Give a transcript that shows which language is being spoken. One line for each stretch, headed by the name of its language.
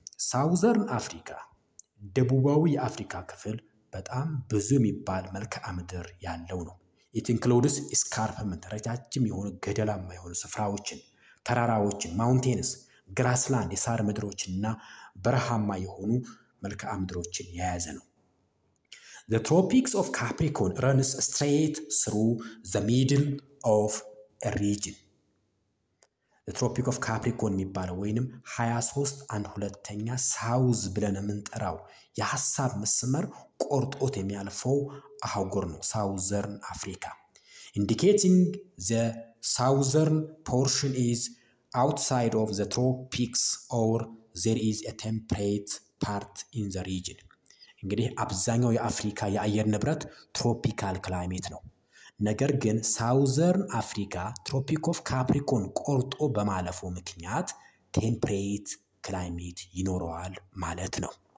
Amharic: ሳውዘርን አፍሪካ ደቡባዊ የአፍሪካ ክፍል በጣም ብዙ የሚባል መልክዓ ምድር ያለው ነው።
English: It includes escarpment
Amharic: ረጃጅም የሆኑ ገደላማ የሆኑ ስፍራዎችን፣ ተራራዎችን
English: mountains, grassland
Amharic: የሳር ምድሮችና በረሃማ የሆኑ መልክዓ ምድሮችን የያዘ ነው።
English: The tropics of Capricorn runs straight through the middle of a region. The tropic of Capricorn
Amharic: የሚባለው ወይንም 23 አንድ ሁለተኛ ሳውዝ ብለን የምንጠራው የሐሳብ መስመር ቆርጦት የሚያልፈው አህጉር ነው ሳውዘርን አፍሪካ።
English: Indicating the southern portion is outside of the tropics or there is a temperate part in the region.
Amharic: እንግዲህ አብዛኛው የአፍሪካ የአየር ንብረት ትሮፒካል ክላይሜት ነው። ነገር ግን ሳውዘርን አፍሪካ ትሮፒክ ኦፍ ካፕሪኮን ቆርጦ በማለፉ ምክንያት ቴምፕሬት ክላይሜት ይኖረዋል ማለት ነው።